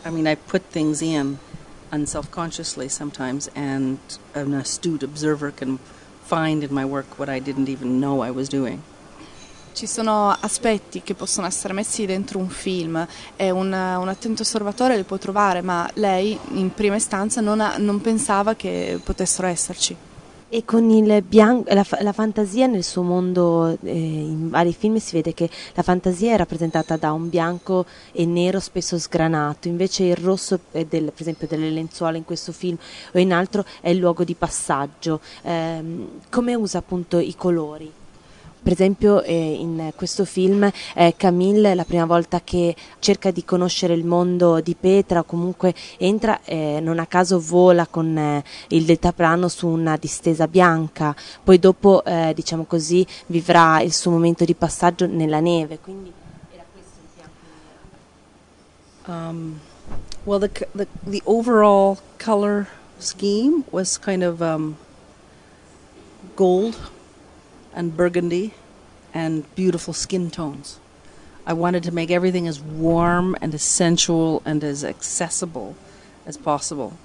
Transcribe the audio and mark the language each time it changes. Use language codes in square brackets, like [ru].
[en] I mean, I put things in unselfconsciously sometimes, and an astute observer can find in my work what I didn't even know I was doing. [it] Ci sono aspetti che possono essere messi dentro un film e un attento osservatore li può trovare, ma lei in prima istanza non pensava che potessero esserci. E con il bianco, la fantasia nel suo mondo, in vari film si vede che la fantasia è rappresentata da un bianco e nero spesso sgranato, invece il rosso, per esempio, delle lenzuole in questo film o in altro, è il luogo di passaggio. Come usa appunto i colori? Per esempio in questo film Camille, la prima volta che cerca di conoscere il mondo di Petra o comunque entra, non a caso vola con il deltaplano su una distesa bianca, poi dopo diciamo così vivrà il suo momento di passaggio nella neve, quindi era questo il bianco. [en] Well, the overall color scheme was kind of gold and burgundy and beautiful skin tones. I wanted to make everything as warm and as sensual and as accessible as possible.